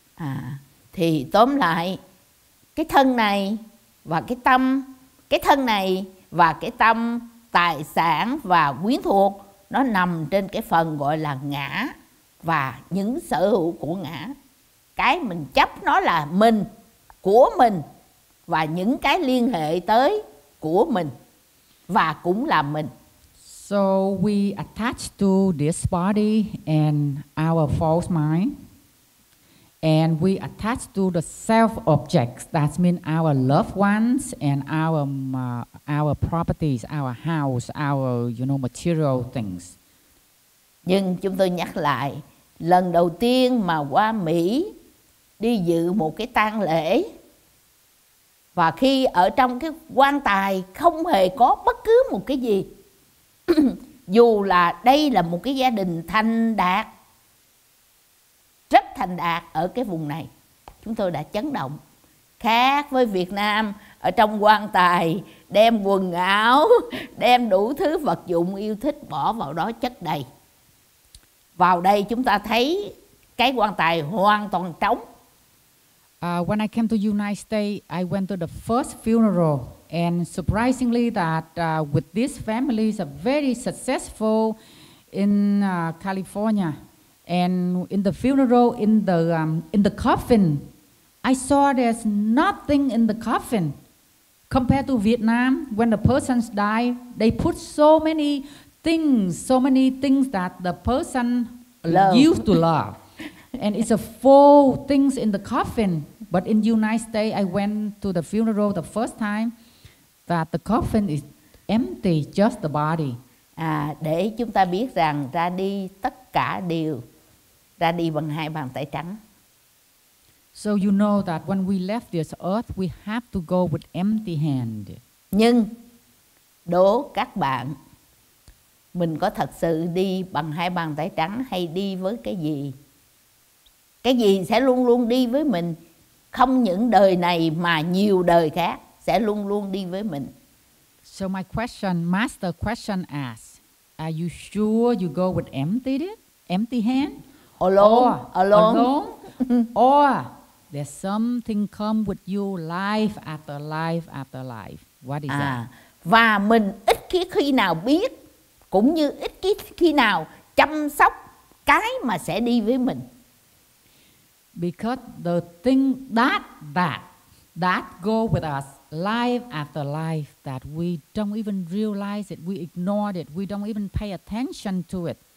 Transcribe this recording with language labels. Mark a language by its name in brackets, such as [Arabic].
[Vietnamese] À, Thì tóm lại, cái thân này và cái tâm, cái thân này và cái tâm, tài sản và quyến thuộc, nó nằm trên cái phần gọi là ngã và những sở hữu của ngã. Cái mình chấp nó là mình, của mình, và những cái liên hệ tới của mình và cũng là mình. [English] So we attach to this body and our false mind, and we attach to the self objects, that means our loved ones and our properties, our house, our, you know, material things. [Vietnamese] Nhưng chúng tôi nhắc lại, lần đầu tiên mà qua Mỹ đi dự một cái tang lễ, và khi ở trong cái quan tài không hề có bất cứ một cái gì, dù là đây là một cái gia đình thành đạt, rất thành đạt ở cái vùng này, chúng tôi đã chấn động. Khác với Việt Nam, ở trong quan tài đem quần áo, đem đủ thứ vật dụng yêu thích bỏ vào đó chất đầy. Vào đây chúng ta thấy cái quan tài hoàn toàn trống. [English] When I came to United States, I went to the first funeral, and surprisingly that with this family is very successful in California. And in the funeral, in the coffin, I saw there's nothing in the coffin. Compared to Vietnam, when the person died, they put so many things that the person love. Used to love. And it's a full things in the coffin. But in United States, I went to the funeral the first time that the coffin is empty, just the body. [Vietnamese] À, để chúng ta biết rằng ra đi tất cả đều ra đi bằng hai bàn tay trắng. [English] So you know that when we left this earth, we have to go with empty hand. [Vietnamese] Nhưng đố các bạn, mình có thật sự đi bằng hai bàn tay trắng hay đi với cái gì? Cái gì sẽ luôn luôn đi với mình, không những đời này mà nhiều đời khác sẽ luôn luôn đi với mình. [English] So my question, master question asks, are you sure you go with empty it? Empty hand? Alone? Or there's something come with you life after life after life. What is that? [Vietnamese] Và mình ít khi nào biết, cũng như ít khi nào chăm sóc cái mà sẽ đi với mình. [English] Because the thing that go with us life after life, that we don't even realize it, we ignore it, we don't even pay attention to it.